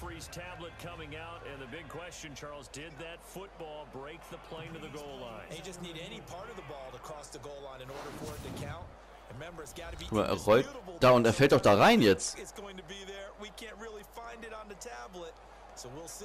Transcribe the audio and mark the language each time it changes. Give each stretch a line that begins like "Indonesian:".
English: Tablet coming out, and the big question, Charles, did that football break the plane to the goal line? They just need any part of the ball to cross the goal line in order for it to count. Remember, it's got to be.
German: Guck mal, er rollt da und er fällt auch da rein jetzt.
English: It's going to be there. We can't really find it on the tablet, so we'll see.